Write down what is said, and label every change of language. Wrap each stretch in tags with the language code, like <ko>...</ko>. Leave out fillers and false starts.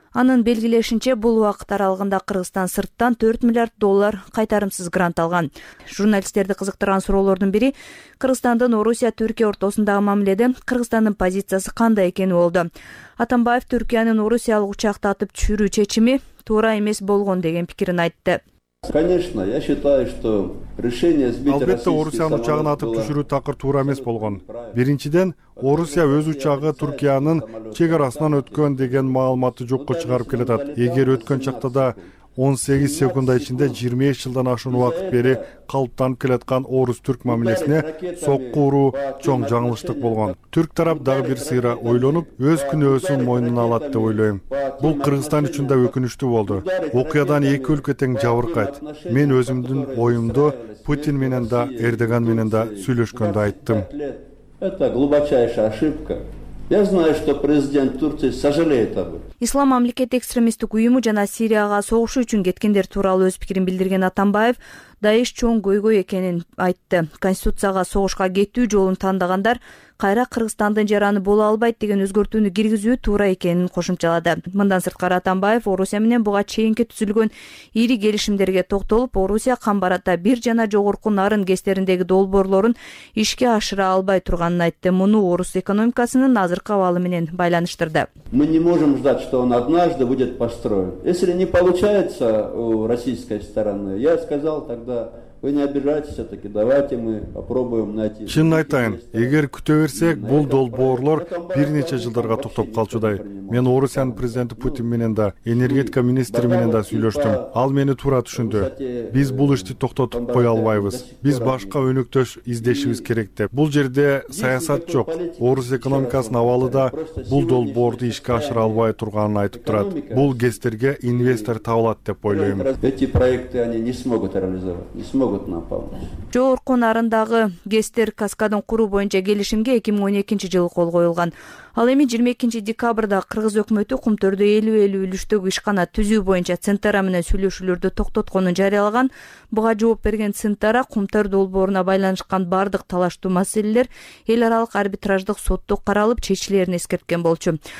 <ky>Анын белгилешинче, бул убакыт аралыгында Кыргызстан сырттан 4 миллиард доллар кайтарымсыз грант алган. Журналисттерди кызыктырган суроолордун бири Кыргызстандын Орусия Түркия ортосундагы мамиледе Кыргызстандын позициясы кандай экени болду. Атамбаев Түркиянын Орусиялык учакты атып түшүрүү чечими туура эмес болгон деген пикирин айтты.</ky> <ru>Конечно, я считаю, что решение сбить российский самолет.</ru> <ky>Албетте, Орусиянын учагын атып түшүрүү такыр туура эмес болгон. Биринчиден, Орусия өз учагы Түркиянын чек арасынан өткөн деген маалыматты жокко чыгарып келатат. Эгер өткөн чакта да 18 секунда ичинде 25 жылдан ашуун убакыт бери калыптанып келаткан орус-түрк мамилесине сокку уруу чоң жаңылыштык болгон. Түрк тарап дагы бир сыйра ойлонуп, өз күнөөсүн мойнуна алат деп ойлойм. Бул Кыргызстан үчүн да өкүнүчтүү болду. Окуядан эки өлкө тең жабыркайт. Мен өзүмдүн оюмду Путин менен да Эрдоган менен да сүйлөшкөндө айттым.</ky> <ru>Это глубочайшая ошибка. Я знаю, что президент Турции сожалеет об этом.</ru> <ky>Ислам мамлекети экстремисттик уюму жана Сирияга согушуу үчүн кеткендер тууралуу өз пикирин билдирген Атамбаев Даиш чоң көйгөй экенин айтты. Конституцияга согушка кетүү жолун тандагандар кайра Кыргызстандын жараны боло албайт деген өзгөртүүнү киргизүү туура экенин кошумчалады. Мындан сырткары Атамбаев Орусия менен буга чейинки түзүлгөн ири келишимдерге токтолуп, Орусия кам барата бир жана жогорку нарын гестериндеги долбоорлорун ишке ашыра албай турганын айтты. Муну орус экономикасынын азыркы абалы менен байланыштырды.</ky> <ru>Мы не можем ждать, что он однажды будет построен. Если не получается у российской стороны, я сказал тогда Вы не обижайтесь все-таки, давайте мы попробуем найти...</ru> <ky>Чын айтайын, эгер күтө берсек, бул долбоорлор бир нече жылдарга токтоп калчудай. Мен Орусиянын президенти Путин менен да, энергетика министри менен да сүйлөштүм. Ал мени туура түшүндү. Биз бул ишти токтотуп кое албайбыз. Биз башка өнүктөш издешибиз керек деп. Бул жерде саясат жок. Орус экономикасынын абалы да бул долбоорду ишке ашыра албай турганын айтып турат. Бул гестерге инвестор табылат деп ойлойм.</ky> <ru>Эти проекты они не смогут реализовать. Могут нам помочь.</ru> <ky>Жогорку нарындагы гестер каскадын куруу боюнча келишимге 2012 жылы кол коюлган. Ал эми 22 декабрда кыргыз өкмөтү кумтөрдө 50-50 үлүштөгү ишкана түзүү боюнча Центара менен сүйлөшүүлөрдү токтотконун жарыялаган. Буга жооп берген Центара кумтөр долбооруна байланышкан бардык талаштуу маселелер эл аралык арбитраждык сотто каралып чечилерин эскерткен болчу.</ky>